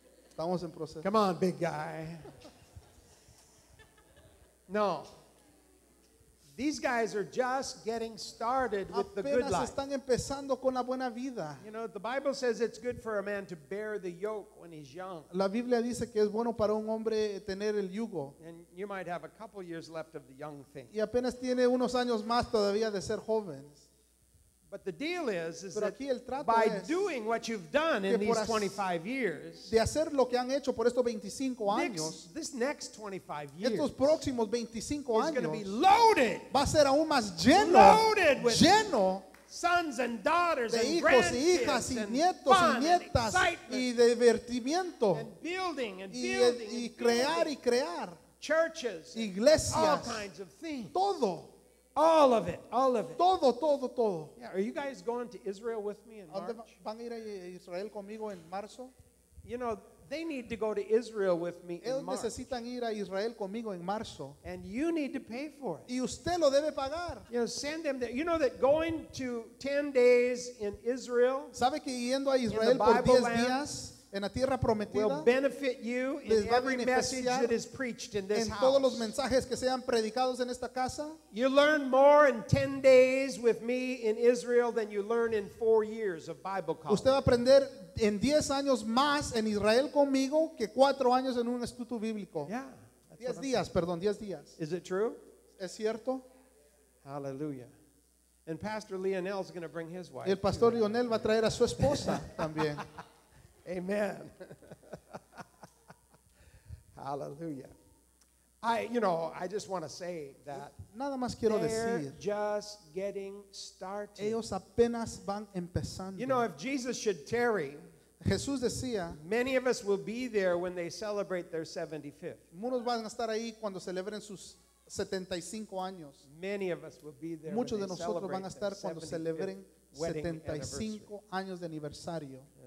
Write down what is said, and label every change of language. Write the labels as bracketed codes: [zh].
[es] Estamos en proceso. [en] Come on, big guy. No. These guys are just getting started with the good life. [es] Están empezando con la buena vida. [en] You know, the Bible says it's good for a man to bear the yoke when he's young. [es] La Biblia dice que es bueno para un hombre tener el yugo. [en] And you might have a couple years left of the young thing. [es] Y apenas tiene unos años más todavía de ser jóvenes. [en] But the deal is that by doing what you've done in these 25 years, [es] de hacer lo que han hecho por estos 25 años, [en] this next 25 years, [es] estos próximos 25 años, [en] is going to be loaded, [es] va a ser aún más lleno, [en] loaded with [es] lleno, [en] sons and daughters [es] de hijos [en] and [es] y hijas y nietos y nietas y divertimiento, [en] and building and building, [es] y crear y crear, [en] churches, [es] iglesias, [en] all kinds of things, [es] todo. [en] All of it, all of it. [es] Todo, todo, todo. [en] Yeah, are you guys going to Israel with me in March? [es] ¿Van a ir a Israel conmigo en marzo? [en] You know, they need to go to Israel with me [es] ellos [en] in March. [es] Necesitan ir a Israel conmigo en marzo. [en] And you need to pay for it. [es] Y usted lo debe pagar. [en] You know, send them there. You know that going to 10 days in Israel, [es] ¿sabe que yendo a Israel por 10 días, en la tierra prometida [en] will benefit you in every message that is preached in this [es] en [en] house. [es] Todos los mensajes que sean predicados en esta casa. [en] You learn more in 10 days with me in Israel than you learn in 4 years of Bible college. [es] Usted va a aprender en 10 años más en Israel conmigo que 4 años en un estudio bíblico. [en] Yeah, [es] 10 días, perdón, 10 días. [en] Is it true? [es] ¿Es cierto? [en] Hallelujah. And Pastor Lionel is going to bring his wife. [es] El pastor Lionel va a traer a su esposa también. [en] Amen. Hallelujah. I just want to say that [es] nada más quiero [en] they're [es] decir, [en] just getting started. [es] Ellos apenas van empezando. [en] You know, if Jesus should tarry, [es] Jesús decía, [en] many of us will be there when they celebrate their 75th. [es] Muchos van a estar ahí cuando celebren sus 75 años. [en] Many of us will be there. [es] Muchos de nosotros van a estar cuando celebren 75 años de aniversario.